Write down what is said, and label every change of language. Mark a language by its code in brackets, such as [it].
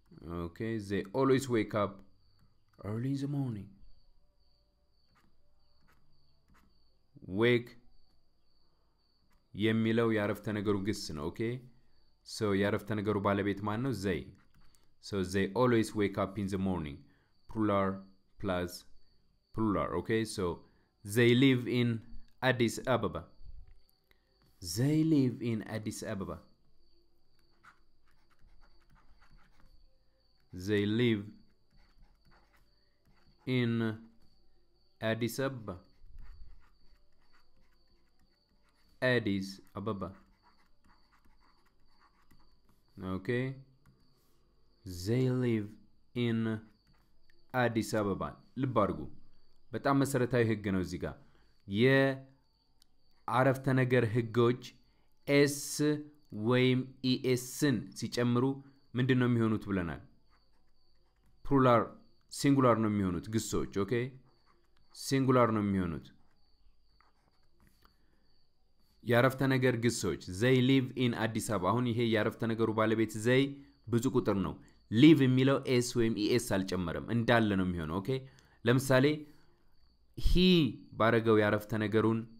[en] Okay, they always wake up early in the morning. [am] Wake የሚለው ያረፍተ ነገሩ ግስ ነው። Okay, so ያረፍተ ነገሩ ባለቤት ማን ነው? [en] They. So they always wake up in the morning. Plural plus plural. Okay, so they live in Addis Ababa. They live in Addis Ababa. They live in Addis Ababa. Addis Ababa. Okay. They live in Addis Ababa. [am] ልባርጉ በጣም መሰረታዊ ህግ ነው እዚህ ጋር የ አረፍተ ነገር ህጎች s ወይም esን ሲጨምሩ ምንድን ነው የሚሆኑት ብለናል? plural singular ነው የሚሆኑት ግሶች። ኦኬ singular ነው የሚሆኑት ያረፍተ ነገር ግሶች። [en] they live in addis ababa [am] አሁን ይሄ ያረፍተ ነገሩ ባለቤት they ብዙ ቁጥር ነው። live የሚለው s ወይም es አልጨመረም እንዳለ ነው የሚሆነው። ኦኬ ለምሳሌ he ባረገው ያረፍተ ነገሩን